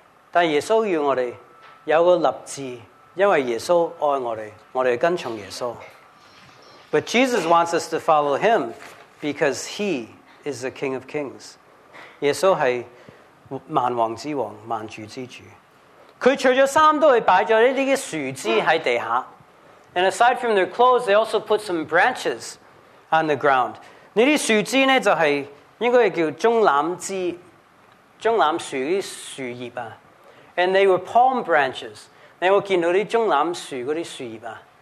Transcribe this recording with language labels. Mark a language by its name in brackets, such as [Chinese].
[Chinese] 但耶稣要我们有个立志，因为耶稣爱我们，我们跟从耶稣。 [English] But Jesus wants us to follow him because he is the King of Kings. [Chinese] 耶稣是万王之王，万主之主。他除了衫都会摆了这些树枝在地下。 [English] And aside from their clothes, they also put some branches on the ground. [Chinese] 这些树枝呢就是应该叫中榄枝，中榄树的树叶啊。 [English] And they were palm branches. [Chinese] 你会见到这些中榄树的树叶啊。